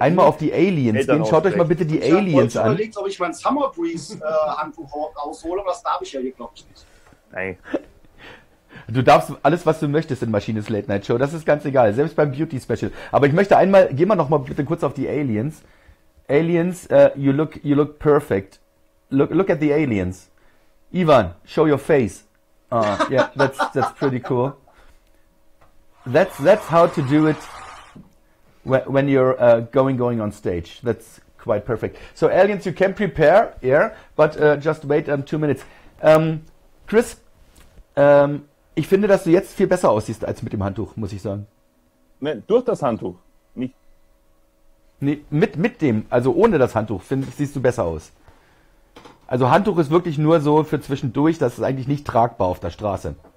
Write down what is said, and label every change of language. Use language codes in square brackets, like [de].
[de] Einmal auf die Aliens gehen. Schaut euch mal bitte die Aliens an. Ich habe überlegt, ob ich mein Summer Breeze-Handtuch raushole. Aber das darf ich ja hier, glaube ich, nicht. Nein. Du darfst alles, was du möchtest in Maschines Late Night Show. Das ist ganz egal. Selbst beim Beauty Special. Aber ich möchte einmal, geh mal nochmal bitte kurz auf die Aliens. [en] Aliens, you look perfect. Look at the aliens. Ivan, show your face. Yeah, that's pretty cool. That's how to do it when you're going on stage. That's quite perfect. So aliens, you can prepare, yeah, but just wait 2 minutes. [de] Chris, ich finde, dass du jetzt viel besser aussiehst als mit dem Handtuch, muss ich sagen. Nee, durch das Handtuch, nicht. Nee, mit dem, also ohne das Handtuch, siehst du besser aus. Also Handtuch ist wirklich nur so für zwischendurch, das ist eigentlich nicht tragbar auf der Straße.